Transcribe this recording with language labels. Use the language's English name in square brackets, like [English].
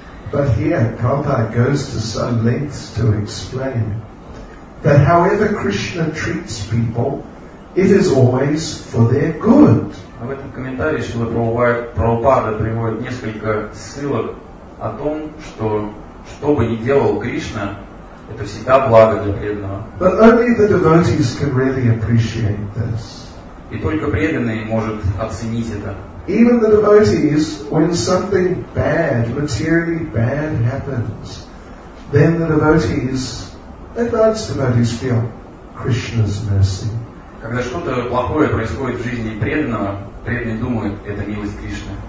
[English] But here, Prabhupada goes to some lengths to explain that however Krishna treats people, it is always for their good. [Russian] В этом комментарии Шрила Прабхупада приводит несколько ссылок о том, что что бы ни делал Кришна, это всегда благо для преданного. [English] But only the devotees can really appreciate this. [Russian] И только преданный может оценить это. [English] Even the devotees, when something bad, materially bad happens, then the devotees, advanced devotees feel Krishna's mercy. [Russian] Когда что-то плохое происходит в жизни преданного, преданный думает, это милость Кришны.